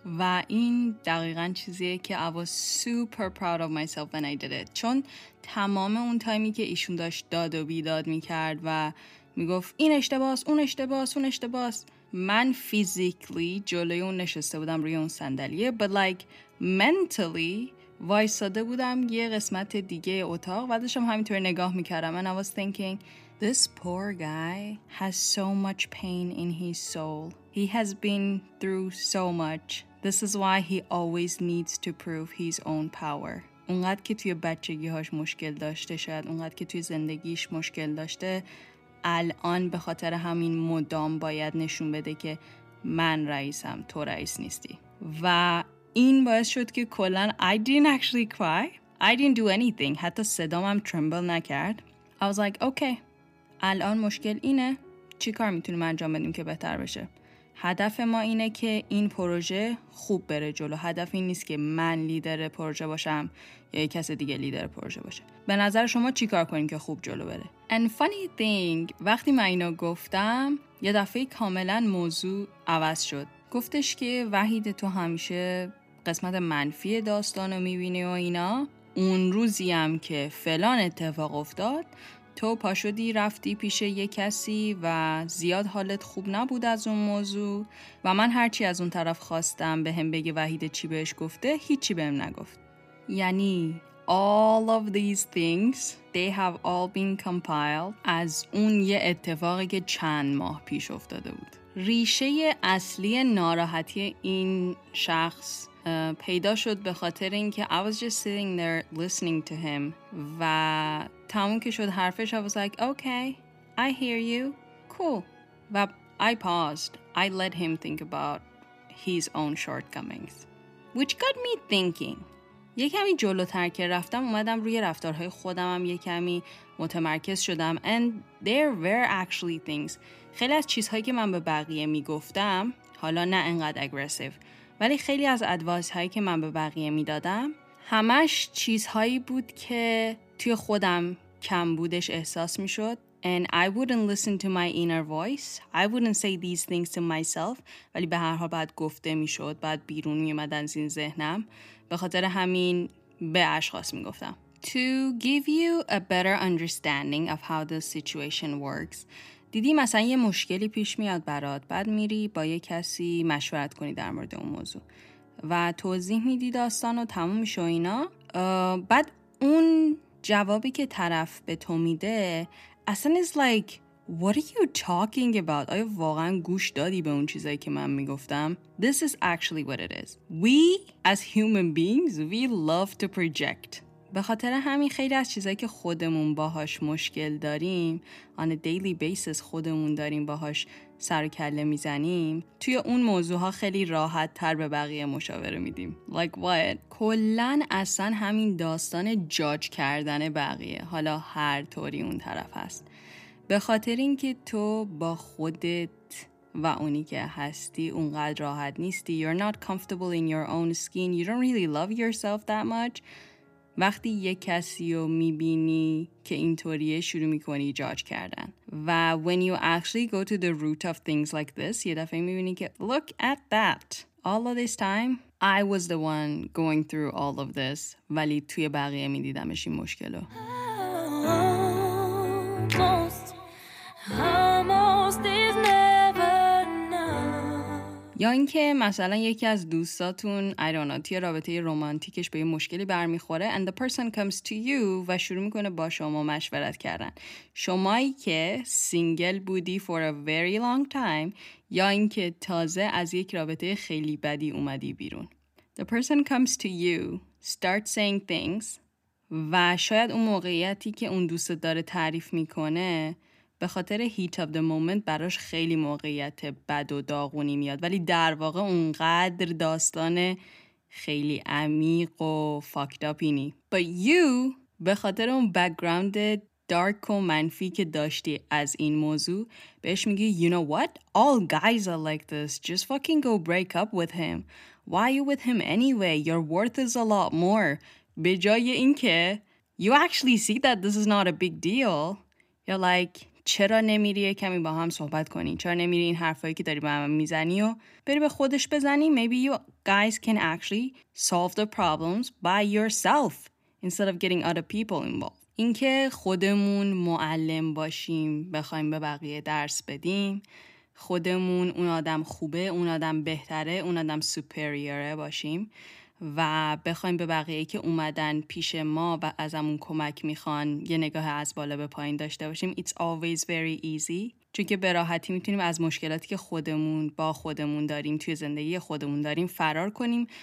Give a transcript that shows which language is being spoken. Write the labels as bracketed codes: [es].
[fa] و این دقیقاً چیزیه که [en] I was super proud of myself when I did it, [fa] چون تمام اون تایمی که ایشون داشت داد و بیداد میکرد و میگفت این اشتباس اون اشتباس اون اشتباس, من فیزیکلی جلوی اون نشسته بودم روی اون صندلیه, [en] but like mentally [fa] وایساده بودم یه قسمت دیگه اتاق و داشتم همینطور نگاه میکردم. [en] And I was thinking, this poor guy has so much pain in his soul. He has been through so much. This is why he always needs to prove his own power. [fa] اونقدر که توی بچگیهاش مشکل داشته, شاید اونقدر که توی زندگیش مشکل داشته, الان به خاطر همین مدام باید نشون بده که من رئیسم, تو رئیس نیستی. و این باعث شد که کلن [en] I didn't actually cry. I didn't do anything. [fa] حتی صدام هم tremble نکرد. [en] I was like, okay, [fa] الان مشکل اینه. چی کار میتونیم انجام بدیم که بهتر بشه؟ هدف ما اینه که این پروژه خوب بره جلو. هدف این نیست که من لیدر پروژه باشم یا یک کس دیگه لیدر پروژه باشه. به نظر شما چی کار کنیم که خوب جلو بره؟ [en] And funny thing, [fa] وقتی من اینو گفتم یه دفعه کاملا موضوع عوض شد. گفتش که وحید تو همیشه قسمت منفی داستانو میبینی و اینا. اون روزی هم که فلان اتفاق افتاد تو پاشدی رفتی پیش یه کسی و زیاد حالت خوب نبود از اون موضوع و من هرچی از اون طرف خواستم به هم بگه وحید چی بهش گفته هیچی بهم نگفت. یعنی [en] all of these things, they have all been compiled [fa] از اون یه اتفاقی که چند ماه پیش افتاده بود. ریشه اصلی ناراحتی این شخص پیدا شد به خاطر اینکه [en] I was just sitting there listening to him [fa] و تموم که شد حرفش [en] I was like, okay, I hear you, cool. [fa] و [en] I paused. I let him think about his own shortcomings, which got me thinking. [fa] یه کمی جلوتر که رفتم اومدم روی رفتارهای خودم هم یه کمی متمرکز شدم. [en] And there were actually things. [fa] خیلی از چیزهایی که من به بقیه میگفتم, حالا نه انقدر اگرسیف, ولی خیلی از ادوایس هایی که من به بقیه میدادم همش چیزهایی بود که توی خودم کم بودش احساس میشد. [en] And I wouldn't listen to my inner voice. I wouldn't say these things to myself. [fa] ولی به هر حال باید گفته میشد, باید بیرون میامدن از این ذهنم. به خاطر همین به اشخاص میگفتم. [en] To give you a better understanding of how the situation works, [fa] دیدی مثلا یه مشکلی پیش میاد برات, بعد میری با یه کسی مشورت کنی در مورد اون موضوع و توضیح میدی داستان و تموم میشه اینا, بعد اون جوابی که طرف به تو میده اصلا [en] is like, what are you talking about? [fa] آیا واقعا گوش دادی به اون چیزایی که من میگفتم؟ [en] This is actually what it is. We as human beings, we love to project. [fa] به خاطر همین خیلی از چیزایی که خودمون باهاش مشکل داریم, [en] on a daily basis [fa] خودمون داریم باهاش سر و کله میزنیم, توی اون موضوعها خیلی راحت تر به بقیه مشاوره میدیم. [en] Like what? [fa] کلن اصلا همین داستان جاج کردن بقیه, حالا هر طوری اون طرف هست, به خاطر اینکه تو با خودت و اونی که هستی اونقدر راحت نیستی. [en] You're not comfortable in your own skin. You don't really love yourself that much. [fa] وقتی یه کسی رو میبینی که اینطوریه شروع میکنی جاج کردن. [en] و when you actually go to the root of things like this, [fa] یه دفعه میبینی که [en] look at that. All of this time, I was the one going through all of this. [fa] ولی توی بقیه میدیدمش این مشکلو. یا اینکه مثلا یکی از دوستاتون [en] I don't know [fa] توی رابطه رومانتیکش به یه مشکلی برمیخوره [en] and the person comes to you [fa] و شروع میکنه با شما مشورت کردن. شمایی که سینگل بودی [en] for a very long time [fa] یا اینکه تازه از یک رابطه خیلی بدی اومدی بیرون. [en] The person comes to you, start saying things [fa] و شاید اون موقعیتی که اون دوستت داره تعریف میکنه به خاطر [en] heat of the moment [fa] براش خیلی موقعیت بد و داغونی میاد ولی در واقع اونقدر داستان خیلی عمیق و fucked up اینی. But you به خاطر اون background dark و منفی که داشتی از این موضوع بهش میگی [en] you know what? All guys are like this. Just fucking go break up with him. Why are you with him anyway? Your worth is a lot more. [fa] به جای این که [en] you actually see that this is not a big deal. You're like [fa] چرا نمیری کمی با هم صحبت کنی؟ چرا نمیری این حرفایی که داری با هم میزنی و بری به خودش بزنی؟ [en] Maybe you guys can actually solve the problems by yourself instead of getting other people involved. [fa] این که خودمون معلم باشیم بخوایم به بقیه درس بدیم خودمون اون آدم خوبه، اون آدم بهتره، اون آدم سوپریوره باشیم و بخوایم به بقیه که اومدن پیش ما و ازمون کمک میخوان یه نگاه از بالا به پایین داشته باشیم [en] It's always very easy [fa] چون که به راحتی میتونیم از مشکلاتی که خودمون با خودمون داریم توی زندگی خودمون داریم فرار کنیم